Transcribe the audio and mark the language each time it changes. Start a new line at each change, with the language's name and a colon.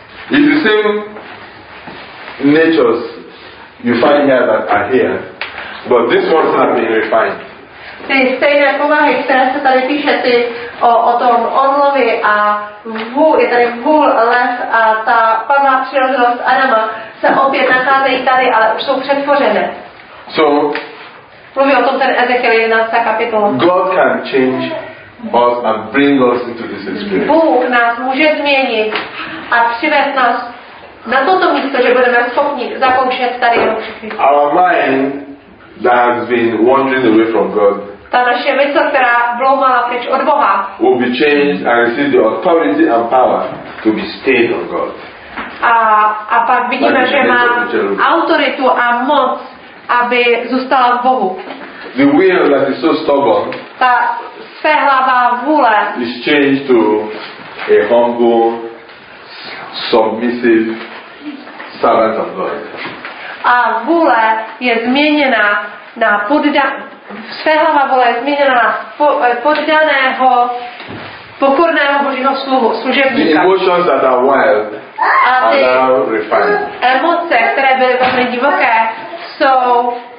English: It's the same natures you find here that are here, but this ones have been refined.
Czech: Ty stejné povahy, které se tady píše, ty o tom orlovi a vůl, je tady vůl, lev a ta pavá přirozenost Adama se opět nacházejí tady, ale už jsou přetvořené.
English: So,
Czech: mluví o tom ten Ezechiel 11. kapitola.
English: God can change us and bring us into this experience.
Czech: Bůh nás může změnit a přivést nás na toto místo, že budeme schopni zakoušet tady.
English: Our mind that has been wandering away from God.
Czech: Ta naše mysl, která bloumala pryč od Boha.
English: Will be changed and receive the authority and power to be stayed on God.
Czech: A pak vidíme, že má autoritu a moc, aby zůstala v Bohu.
English: The will that is so stubborn.
Czech: Ta svéhlavá vůle.
English: Is changed to a humble, submissive servant of God.
Czech: A vůle je změněna na poddaného, svéhlava vůle je změněna na poddaného, pokorného božího sluhu, služebníka.
English: The emotions that are wild are now refined.
Czech: Emoce, které byly velmi divoké, jsou